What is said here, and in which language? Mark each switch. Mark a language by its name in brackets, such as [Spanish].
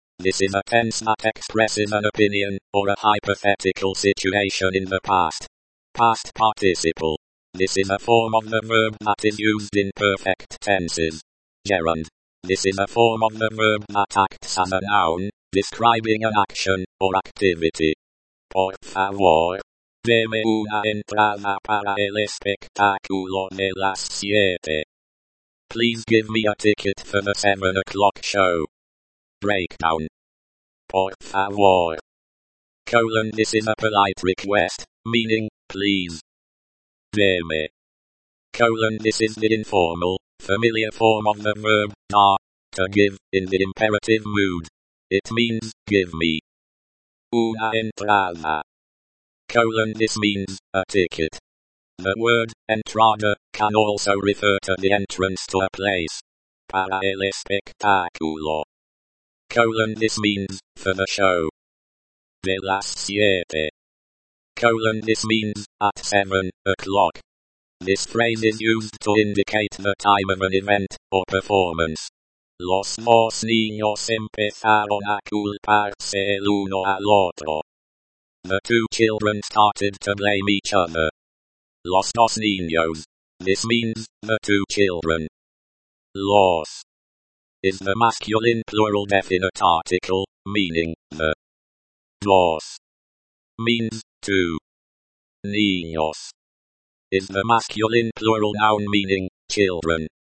[English] This is a tense that expresses an opinion or a hypothetical situation in the past. Past participle. This is a form of the verb that is used in perfect tenses. Gerund. This is a form of the verb that acts as a noun, describing an action or activity. [Spanish] Por favor, deme una entrada para el espectáculo de las siete. [English] Please give me a ticket for the 7 o'clock show. Breakdown. [Spanish] Por favor. [English] Colon, this is a polite request, meaning, please. Deme. Colon, this is the informal, familiar form of the verb, dar, to give, in the imperative mood. It means, give me. [Spanish] Una entrada. [English] Colon, this means, a ticket. The word, entrada, can also refer to the entrance to a place. [Spanish] Para el espectáculo. [English] Colon, this means, for the show. [Spanish] De las siete. [English] Colon, this means, at 7 o'clock. This phrase is used to indicate the time of an event or performance. [Spanish] Los dos niños empezaron a culparse el uno al otro. [English] The two children started to blame each other. [Spanish] Los dos niños. [English] This means, the two children. Los is the masculine plural definite article, meaning, the. Los means, two. Niños is the masculine plural noun meaning, children.